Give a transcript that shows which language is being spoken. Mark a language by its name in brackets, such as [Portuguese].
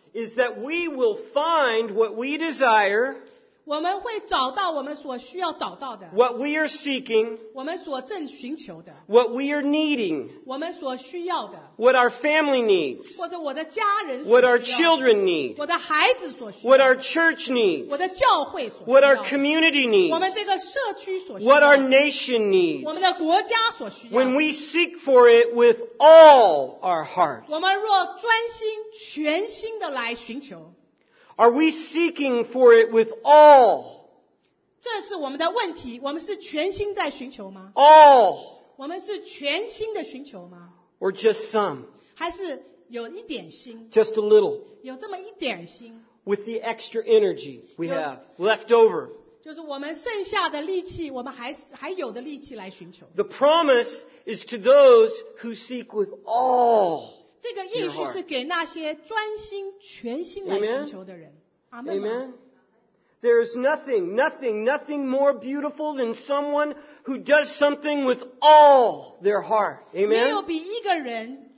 [English] Is that we will find what we desire. [Chinese] 我们会找到我们所需要找到的, [English] what we are seeking, [Chinese] 我们所正寻求的, [English] what we are needing, [Chinese] 我们所需要的, [English] what our family needs, [Chinese] 或者我的家人所需要, [English] what our children need, [Chinese] 我的孩子所需要, [English] what our church needs, [Chinese] 我的教会所需要, [English] what our community needs, [Chinese] 我们这个社区所需要, [English] what our nation needs, [Chinese] 我们的国家所需要, [English] when we seek for it with all our heart, [Chinese] 我们若专心全心地来寻求, [English] are we seeking for it with all? [Chinese] 这是我们的问题, 我们是全心在寻求吗? [English] All. [Chinese] 我们是全心的寻求吗? [English] Or just some? [Chinese] 还是有一点心? [English] Just a little. [Chinese] 有这么一点心? [English] With the extra energy we have left over. [Chinese] 就是我们剩下的力气, 我们还有的力气来寻求。 [English] The promise is to those who seek with all. [Chinese] 这个应许是给那些专心全心来寻求的人。 [English] Amen. Amen. There is nothing, nothing, nothing more beautiful than someone who does something with all their heart. Amen.